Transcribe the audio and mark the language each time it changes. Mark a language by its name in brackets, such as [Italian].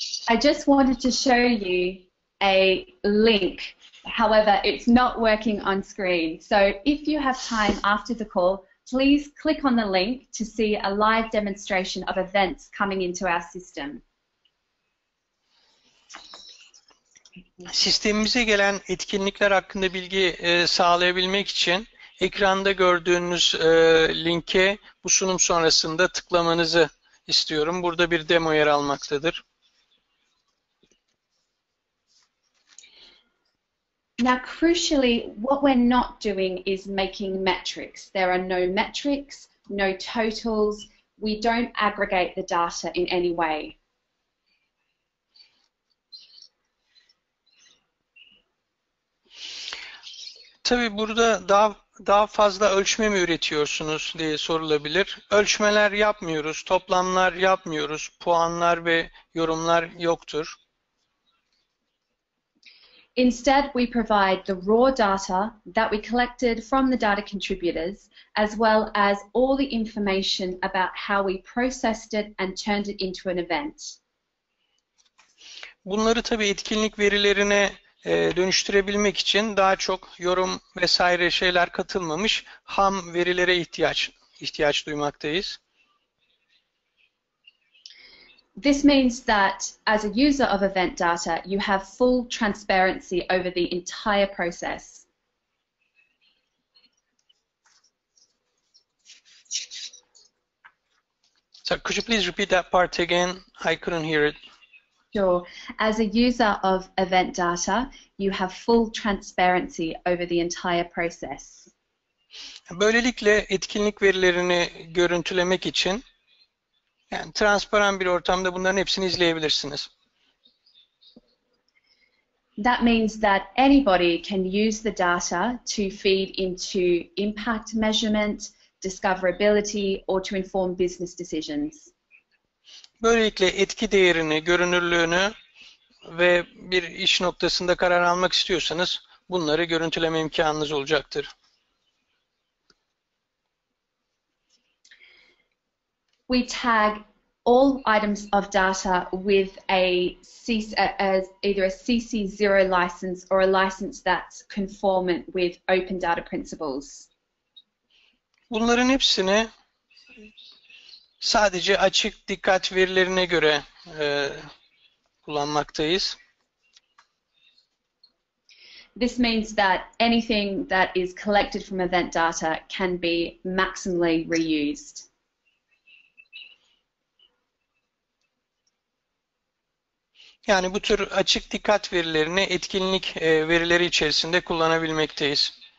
[English] I just wanted to show you a link. However, it's not working on screen. So if you have time after the call, please click on the link to see a live demonstration of events coming into our system. [Turkish] Sistemimize gelen etkinlikler hakkında bilgi sağlayabilmek için ekranda gördüğünüz linke bu sunum sonrasında tıklamanızı istiyorum. Burada bir demo yer almaktadır. [English] Now, crucially, what we're not doing is making metrics. There are no metrics, no totals. We don't aggregate the data in any way. [Turkish] Tabii burada daha fazla ölçme mi üretiyorsunuz diye sorulabilir. Ölçmeler yapmıyoruz, toplamlar yapmıyoruz, puanlar ve yorumlar yoktur. [English] Instead, we provide the raw data that we collected from the data contributors, as well as all the information about how we processed it and turned it into an event. [Turkish] Bunları tabii etkinlik verilerine dönüştürebilmek için daha çok yorum vesaire şeyler katılmamış ham verilere ihtiyaç duymaktayız. [English] This means that as a user of event data, you have full transparency over the entire process. So could you please repeat that part again? I couldn't hear it. Sure. As a user of event data, you have full transparency over the entire process. [Turkish] Böylelikle etkinlik verilerini görüntülemek için yani transparan bir ortamda bunların hepsini izleyebilirsiniz. [English] That means that anybody can use the data to feed into impact measurement, discoverability or to inform business decisions. [Turkish] Böylelikle etki değerini, görünürlüğünü ve bir iş noktasında karar almak istiyorsanız bunları görüntüleme imkanınız olacaktır. [English] We tag all items of data with either a CC0 license or a license that's conformant with open data principles. [Turkish] Bunların hepsini sadece açık dikkat verilerine göre kullanmaktayız. [English] This means that anything that is collected from event data can be maximally reused. [Turkish] Yani bu tür açık dikkat verilerini etkinlik verileri içerisinde kullanabilmekteyiz.